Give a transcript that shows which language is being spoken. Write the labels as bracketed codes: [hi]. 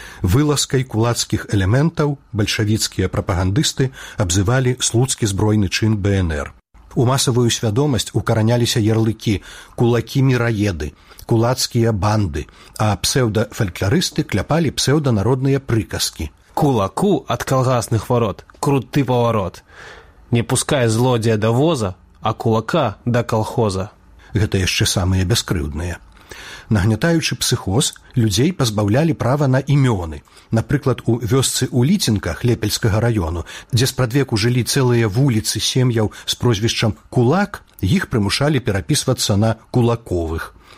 [be] Вылазкай кулацкіх элементаў бальшавіцкія прапагандысты абзывалі слуцкі збройны чын БНР. У масавую свядомасць укараняліся ярлыкі «кулакі-міраеды», «кулацкія банды», а псеўдафалькларысты кляпалі псеўданародныя прыказкі – [ru] кулаку от колгасных ворот крутый поворот. Не пускай злодея до воза, а кулака до колхоза. [be] Гэта яшчэ самыя бяскрыўдныя. Нагнятаючы псіхоз, людзей пазбаўлялі права на імёны. Напрыклад, у вёсцы Уліцінка Хлепельскага раёну, дзе спрадвеку жылі цэлыя вуліцы сем'яў з прозвішчам Кулак, іх прымушалі перапісвацца на Кулаковых.